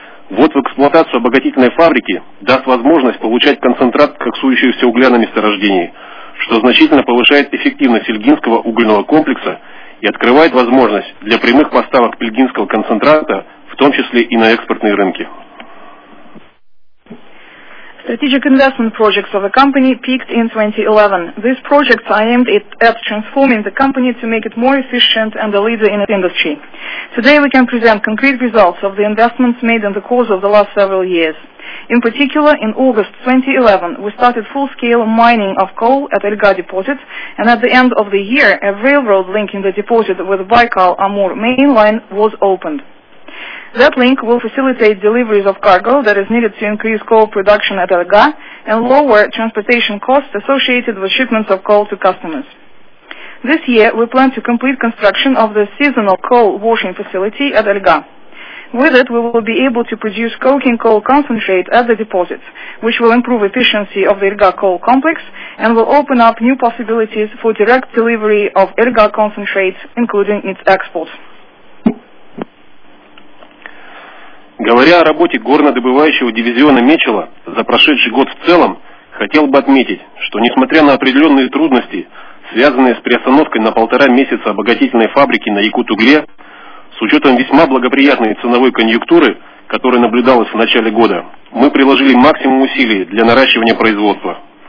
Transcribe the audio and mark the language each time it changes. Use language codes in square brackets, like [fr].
[ru] Ввод в эксплуатацию обогатительной фабрики даст возможность получать концентрат коксующегося угля на месторождении, что значительно повышает эффективность Ильгинского угольного комплекса и открывает возможность для прямых поставок ильгинского концентрата, в том числе и на экспортные рынки. [en] Strategic investment projects of the company peaked in 2011. These projects are aimed at transforming the company to make it more efficient and a leader in its industry. Today we can present concrete results of the investments made in the course of the last several years. In particular, in August 2011, we started full-scale mining of coal at Ilga deposit, and at the end of the year, a railroad linking the deposit with Baikal-Amur main line was opened. That link will facilitate deliveries of cargo that is needed to increase coal production at Elga and lower transportation costs associated with shipments of coal to customers. This year, we plan to complete construction of the seasonal coal washing facility at Elga. With it, we will be able to produce coking coal concentrate at the deposit, which will improve efficiency of the Elga coal complex and will open up new possibilities for direct delivery of Elga concentrate, including its export. [ru] Говоря о работе горнодобывающего дивизиона Мечела за прошедший год в целом, хотел бы отметить, что несмотря на определенные трудности, связанные с приостановкой на полтора месяца обогатительной фабрики на Якут-Угле, с учетом весьма благоприятной ценовой конъюнктуры, которая наблюдалась в начале года, мы приложили максимум усилий для наращивания производства.